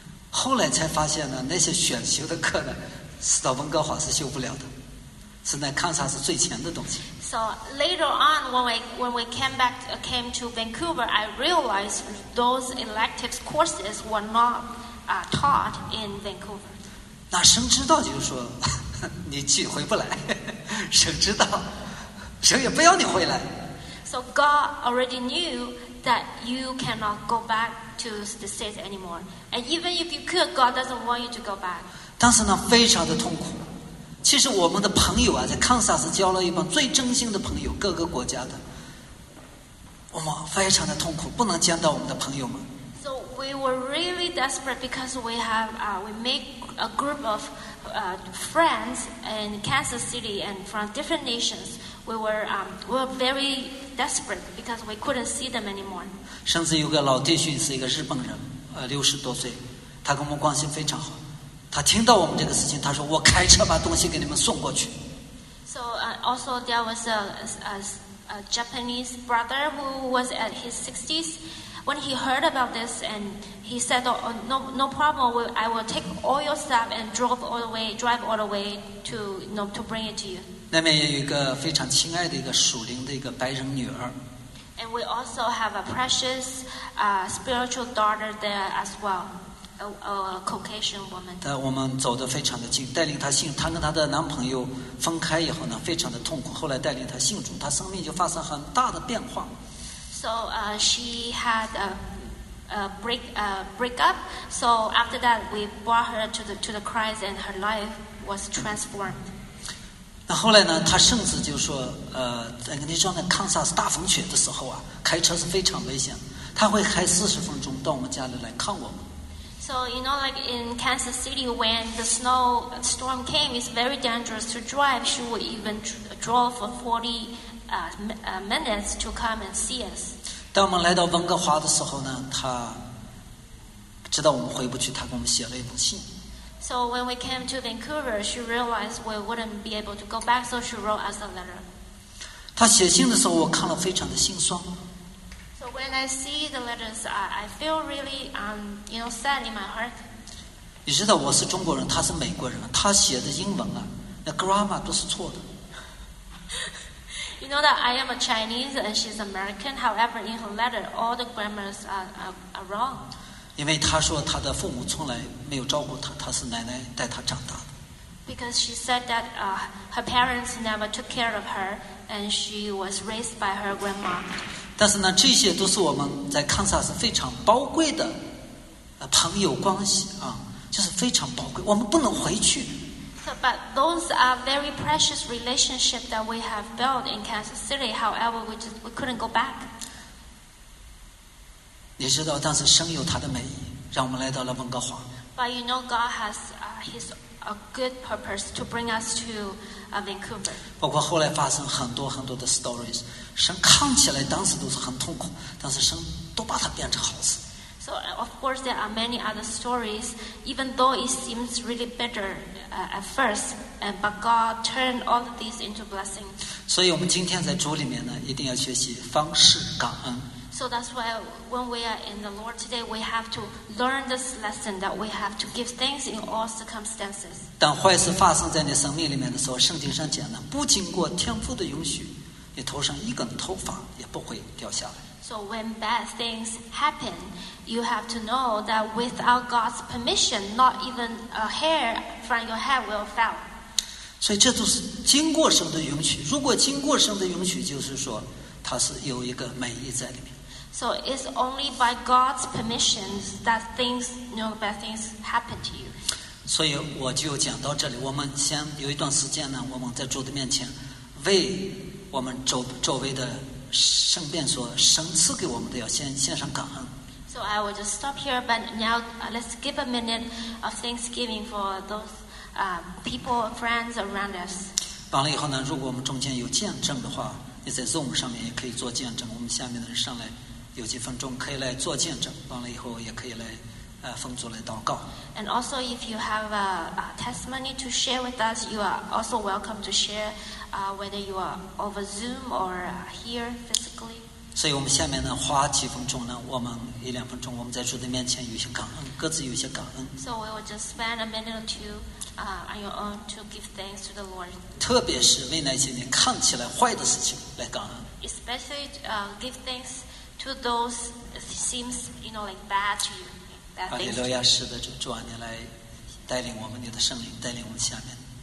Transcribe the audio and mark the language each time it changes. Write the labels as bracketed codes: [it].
[zh] 后来才发现呢，那些选修的课呢，是到温哥华是修不了的，是在堪萨斯最前的东西。 [en] So later on, when we came to Vancouver, I realized those electives courses were not taught in Vancouver. [zh] 那神知道，就是说。你去回不来，神知道，神也不要你回来。 [en] So God already knew that you cannot go back to the States anymore, and even if you could, God doesn't want you to go back. [zh] 但是呢，非常的痛苦。其实我们的朋友啊，在堪萨斯交了一帮最真心的朋友，各个国家的，我们非常的痛苦，不能见到我们的朋友们。 [en] So we were really desperate because we make a group of friends in Kansas City and from different nations. We were very desperate because we couldn't see them anymore. [zh] 甚至有个老弟兄是一个日本人，60多岁，他跟我们关系非常好。他听到我们这个事情，他说我开车把东西给你们送过去。 [en] So also there was a Japanese brother who was at his 60s. When he heard about this, and he said, oh, no problem, I will take all your stuff and drive all the way to bring it to you. [zh] 那边有一个非常亲爱的一个属灵的一个白人女儿。 [en] And we also have a precious spiritual daughter there as well, a Caucasian woman. [zh] 但我们走得非常的近，带领她信，她跟她的男朋友分开以后呢，非常的痛苦，后来带领她信主，她生命就发生很大的变化。 [en] So she had a breakup. So after that, we brought her to the Christ, and her life was transformed. [zh] 那后来呢？她甚至就说，你知道那堪萨斯大风雪的时候啊，开车是非常危险。她会开40分钟到我们家里来看我们。 [en] So you know, like in Kansas City, when the snow storm came, it's very dangerous to drive. She would even drove for 40. Minutes to come and see us. [zh] 当我们来到温哥华的时候呢，他知道我们回不去，他给我们写了一封信。 [en] So when we came to Vancouver, she realized we wouldn't be able to go back, so she wrote us a letter. [zh] 他写信的时候，我看了非常的心酸。 [en] So when I see the letters, I feel really sad in my heart. [zh] 你知道我是中国人，他是美国人，他写的英文啊，那 grammar 都是错的。 [en] You know that I am a Chinese and she's American. However, in her letter, all the grammars are wrong. [zh] 因为她说她的父母从来没有照顾她，她是奶奶带她长大的。 [en] Because she said that her parents never took care of her, and she was raised by her grandma. [zh] 但是呢，这些都是我们在康萨斯非常宝贵的朋友关系啊，就是非常宝贵，我们不能回去。 [en] But those are very precious relationships that we have built in Kansas City. However, we couldn't go back. [zh] 你知道，但是神有他的美意，让我们来到了温哥华。 [en] But you know, God has His a good purpose to bring us to Vancouver. [zh] 包括后来发生很多很多的 stories， 神看起来当时都是很痛苦，但是神都把它变成好事。 [en] So of course there are many other stories, even though it seems really bitter at first, but God turned all of these into blessings. [zh] 所以我们今天在主里面呢，一定要学习方式感恩。 [en] So that's why when we are in the Lord today, we have to learn this lesson that we have to give thanks in all circumstances. [zh] 当坏事发生在你生命里面的时候，圣经上讲呢，不经过天父的允许，你头上一根头发也不会掉下来。 [en] So when bad things happen, you have to know that without God's permission, not even a hair from your head will fall. [zh] 所以这都是经过神的允许。如果经过神的允许，就是说他是有一个美意在里面。 [en] So it's only by God's permission that things, you know, bad things happen to you. [zh] 所以我就讲到这里。我们先有一段时间呢，我们在主的面前为我们周围的。圣殿所神赐给我们的要献上感恩。 [en] So I will just stop here, but now let's give a minute of thanksgiving for those people, friends around us. [zh] 完了以后呢，如果我们中间有见证的话，你在 Zoom 上面也可以做见证。我们下面的人上来有几分钟可以来做见证，完了以后也可以来奉主来祷告。 [en] And also, if you have a testimony to share with us, you are also welcome to share. Whether you are over Zoom or here physically. [zh] 所以我们下面呢，花几分钟呢，我们一两分钟，我们在主的面前有些感恩，各自有些感恩。 [en] So we will just spend a minute or two on your own to give thanks to the Lord. [zh] 特别是为那些你看起来坏的事情来感恩。 [en] Especially give thanks to those seems you know like bad to you. [zh] 阿利路亚，是的，主啊，你来带领我们，你的圣灵带领我们下面。